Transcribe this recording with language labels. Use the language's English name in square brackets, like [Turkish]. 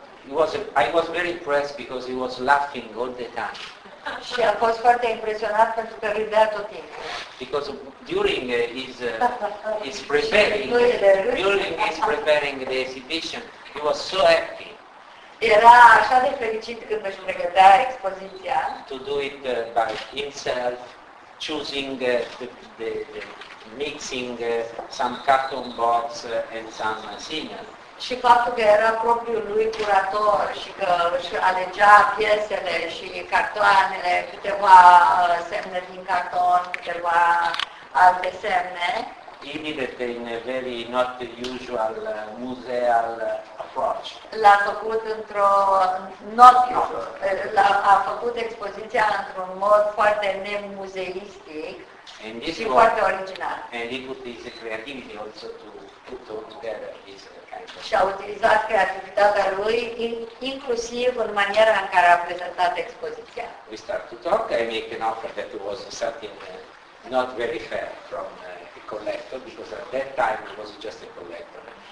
[English] But I was very impressed because he was laughing all the time. [Romanian] Și a fost foarte impresionat pentru că râdea tot timpul. [English] Because during his preparing the exhibition, he was so happy. [Romanian] Era așa de fericit când își pregătea expoziția. [English] To do it by himself, choosing the mixing some carton box and some signal. [Romanian] Și faptul că era propriul lui curator și că își alegea piesele și cartoanele, câteva semne din carton, câteva alte semne. Imediat [English] in a very not usual museal approach. [Romanian] L-a făcut într-o [English] not usual, [Romanian] a făcut expoziția într-un mod foarte nemuzeistic și foarte original. [English] And he put his creativity also to put all together his. [Romanian] Și a utilizat creativitatea lui, inclusiv în maniera în care a prezentat expoziția. [English] We start to talk, I make an offer that was something not very fair from the collector, because at that time he was just a collector.